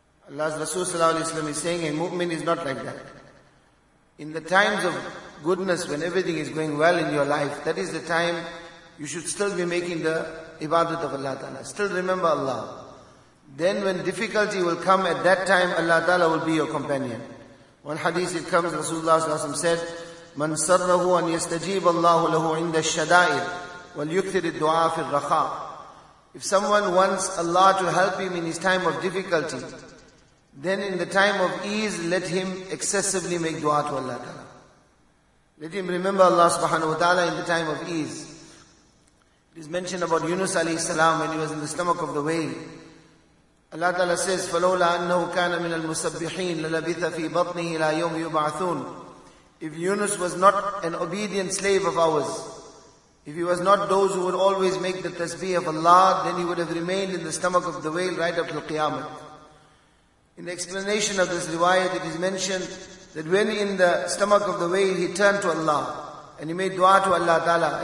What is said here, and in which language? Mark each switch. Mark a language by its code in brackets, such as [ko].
[en] Allah's Rasul sallallahu alayhi wa sallam is saying, a mu'min is not like that. In the times of goodness, when everything is going well in your life, that is the time you should still be making the ibadat of Allah ta'ala. Still remember Allah. Then when difficulty will come, at that time Allah Ta'ala will be your companion. One hadith it comes, [ar] Rasulullah صلى الله عليه وسلم said, مَنْ سَرَّهُ أَنْ يَسْتَجِيبَ اللَّهُ لَهُ عِنْدَ الشَّدَائِرِ وَلْيُكْثِرِ الدُّعَى فِي الرَّخَاءِ. [en] If someone wants Allah to help him in his time of difficulty, then in the time of ease, let him excessively make dua to Allah Ta'ala. Let him remember Allah subhanahu wa ta'ala in the time of ease. It is mentioned about Yunus alayhi salam when he was in the stomach of the whale. Allah Ta'ala says, [ar] فَلَوْلَا أَنَّهُ كَانَ مِنَ الْمُسَبِّحِينَ لَلَبِثَ فِي بَطْنِهِ لَا يَوْمِ يُبْعَثُونَ. [en] If Yunus was not an obedient slave of ours, if he was not those who would always make the tasbih of Allah, then he would have remained in the stomach of the whale right up to Qiyamah. In the explanation of this riwayat, it is mentioned that when in the stomach of the whale, he turned to Allah and he made dua to Allah Ta'ala.